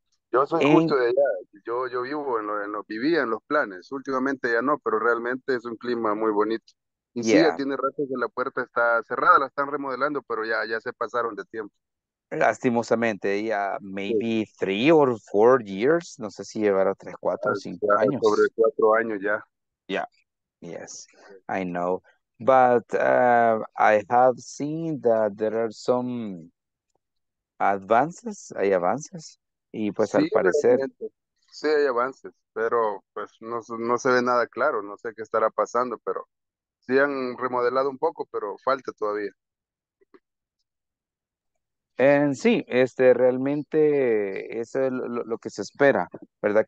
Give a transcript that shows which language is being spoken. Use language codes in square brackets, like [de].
[es] Yo soy justo de allá, yo vivo vivía en los planes, últimamente ya no, pero realmente es un clima muy bonito. Y [en] yeah. [es] Sí, ya tiene rato que la puerta está cerrada, la están remodelando, pero ya se pasaron de tiempo. Lastimosamente, ya [en] maybe 3 or 4 years, [es] no sé si llevará 3, 4 o 5 años. Sobre 4 años ya. [en] Yeah, yes, I know. But I have seen that there are some advances, [es] hay avances. Y pues al Sí, parecer. realmente. Sí hay avances, pero pues no se ve nada claro, no sé qué estará pasando, pero sí han remodelado un poco, pero falta todavía. Sí, realmente eso es lo que se espera, ¿verdad?